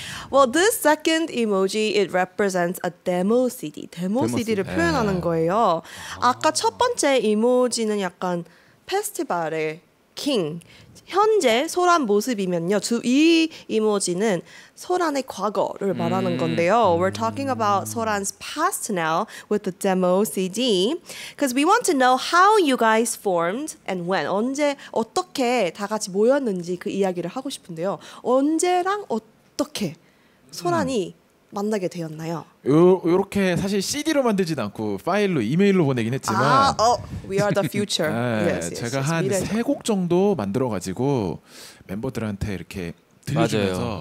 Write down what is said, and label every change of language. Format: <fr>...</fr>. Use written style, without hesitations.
<en>Well, this second emoji, it represents a demo CD.</en> <ko>Demo CD를 표현하는 거예요. 아까 첫 번째 이모지는 약간 페스티벌의 킹. 현재 소란 모습이면요. 이 이모지는 소란의 과거를 말하는 건데요.</ko> <en>We're talking about Soran's past now with the demo CD. Because we want to know how you guys formed and when.</en> <ko>언제, 어떻게 다 같이 모였는지 그 이야기를 하고 싶은데요. 언제랑 어떻게. 소란이 만나게 되었나요? 이렇게 사실 CD로 만들진 않고 파일로 이메일로 보내긴 했지만</ko> <en>아, we are the future. 네, yes, yes,</en> <ko>제가 한 세 곡 정도 만들어 가지고 멤버들한테 이렇게 들려주면서</ko>